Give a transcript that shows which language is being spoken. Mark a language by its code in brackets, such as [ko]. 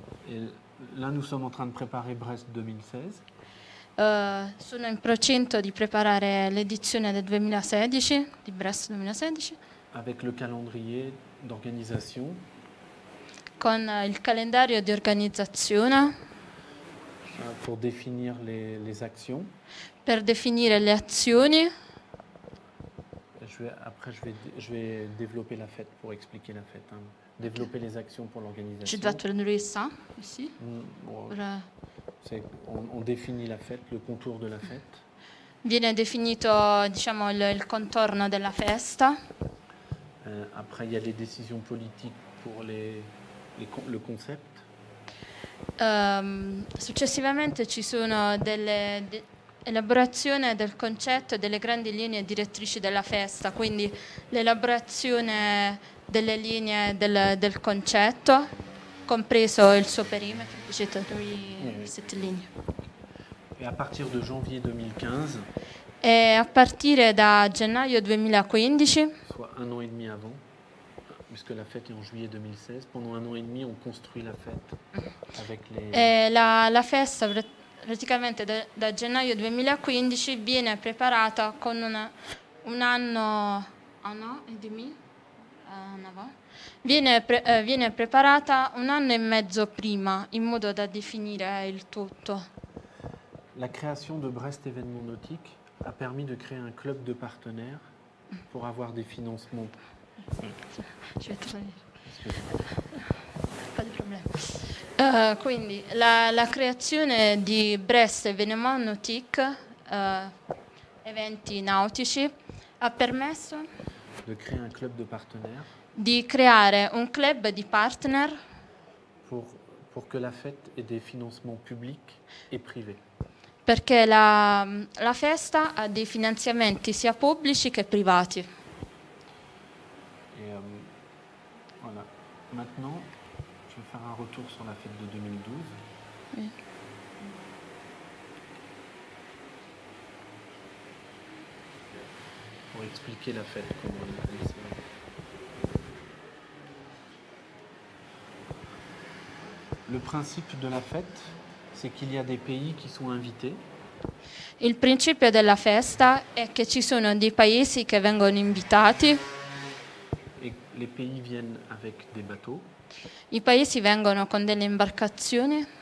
[fr] Et là, nous sommes en train de préparer Brest 2016. [it] Sono in procinto di preparare l'edizione del 2016 di Brest 2016. [fr] Avec le calendrier d'organisation. [it] Con il calendario di organizzazione. [fr] Pour définir les actions. [it] Per definire le azioni. [fr] Je vais développer la fête pour expliquer la fête. Hein. Développer les actions pour l'organisation. Je dois traduire ça aussi. On définit la fête, le contour de la fête. Viene definito, diciamo, il contorno della festa. Après, il y a les décisions politiques pour [it] il concept? Successivamente ci sono delle elaborazione del concetto e delle grandi linee direttrici della festa, quindi l'elaborazione delle linee del concetto, compreso il suo perimetro, diciamo, queste linee. E a partire da gennaio 2015? E a partire da gennaio 2015. Un anno e mezzo [fr] avant, puisque la fête est en juillet 2016, pendant un an et demi on construit la fête avec les... [it] E la festa praticamente da gennaio 2015 viene preparata con viene preparata un anno e mezzo prima, in modo da definire il tutto. [fr] La création de Brest Événement Nautique a permis de créer un club de partenaires pour avoir des financements. [it] Ci vai trovare. [fr] Pas de problème. [it] Quindi la creazione di Brest Événement Nautique, eventi nautici, ha permesso [fr] de créer un club de partenaires. [it] Di creare un club di partner [fr] pour que la fête ait des financements publics et privés. [it] Perché la festa ha dei finanziamenti sia pubblici che privati. [fr] Et voilà. Maintenant, je vais faire un retour sur la fête de 2012. Oui. Pour expliquer la fête, comment elle est passée. Le principe de la fête, c'est qu'il y a des pays qui sont invités. [it] Il principio della festa è che ci sono dei paesi che vengono invitati. [fr] Les pays viennent avec des bateaux. [it] I paesi vengono con delle imbarcazioni.